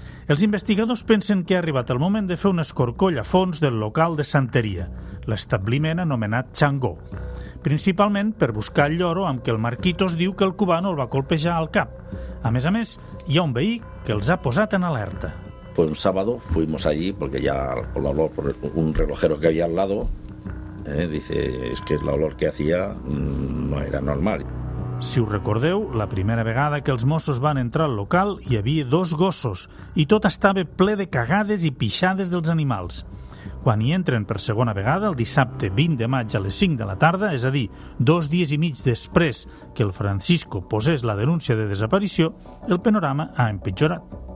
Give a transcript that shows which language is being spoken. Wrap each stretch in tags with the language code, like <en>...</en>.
<ca>Els investigadors pensen que ha arribat el moment de fer un escorcoll a fons del local de Santeria, l'establiment anomenat Changó, principalment per buscar el lloro amb què el Marquitos diu que el cubano el va colpejar al cap. A més, hi ha un veí que els ha posat en alerta.</ca> <es>Fue un sábado, fuimos allí, porque ya por el olor, por un relojero que había al lado, dice, es que el olor que hacía no era normal.</es> <ca>Si us recordeu, la primera vegada que els Mossos van entrar al local hi havia dos gossos i tot estava ple de cagades i pixades dels animals. Quan hi entren per segona vegada, el dissabte 20 de maig a les 5 de la tarda, és a dir, dos dies i mig després que el Francisco posés la denúncia de desaparició, el panorama ha empitjorat.</ca>